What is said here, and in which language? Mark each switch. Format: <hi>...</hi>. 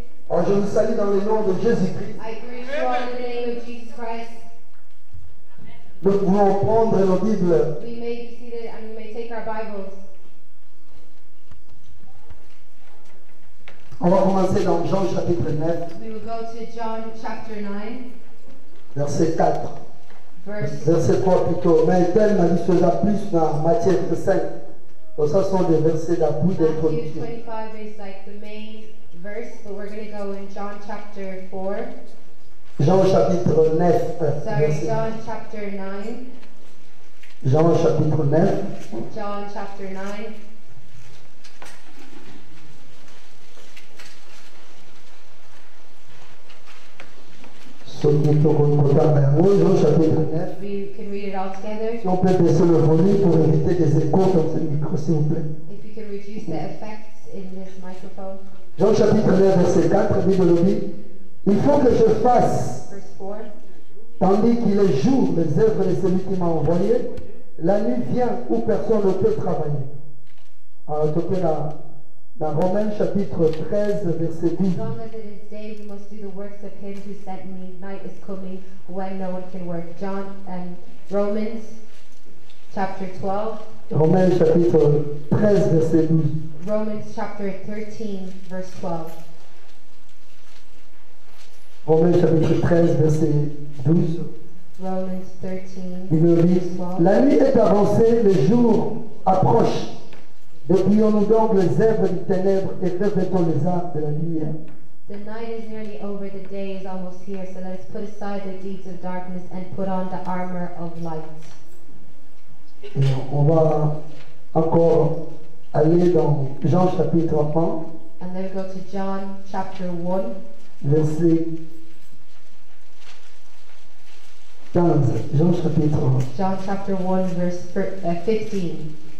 <fr>Oh, je vous salue dans le nom de Jésus-Christ. Nous pouvons prendre nos Bibles.</fr> <en>We may be seated and we may take our Bibles.</en> <fr>On va commencer dans Jean chapitre 9.</fr> <en>We will go to John chapter 9.</en> <fr>Verset 4. Verset 3 plutôt. Mais tel m'a dit cela plus dans Matthieu 5. Donc ça sont des versets d'appui d'introduction.</fr> <en>Matthew 25 is like the main verse, but we're going to go in John chapter 4.</en> <fr>Jean chapitre 9. Jean chapitre 9.</fr> <en>John chapter 9.</en> <fr>Jean chapitre 9.</fr> <en>We can read it all together.</en> <fr>Si on peut baisser le volume pour éviter des échos dans ce micro, s'il vous plaît.</fr> <en>If you can reduce the effects in this microphone.</en> <fr>Jean chapitre 9, verset 4, Bible le dit. Il faut que je fasse, tandis qu'il est jour, les œuvres de celui qui m'a envoyé, la nuit vient où personne ne peut travailler. Alors, tu peux dans Romains chapitre 13, verset 10.</fr> <en>As long as it is day, we must do the works of him who sent me. Night is coming when no one can work. John and Romans chapter 12.</en> <fr>Romains chapitre 13, verset 12.</fr> <en>Romans chapter 13, verse 12.</en> <fr>Romains chapitre 13, verset 12.</fr> <en>Romans 13.</en> <fr>Il nous dit, la nuit est avancée, le jour approche. Dépouillons-nous donc les œuvres des ténèbres et revêtons les armes de la lumière.</fr> <en>The night is nearly over, the day is almost here, so let us put aside the deeds of darkness and put on the armor of light.</en> <fr>Et on va encore aller dans Jean chapitre 1.</fr> <en>And then we go to John chapter 1.</en> <fr>Verset 15, Jean chapitre 1.</fr> <en>John chapter 1, verse 15.</en>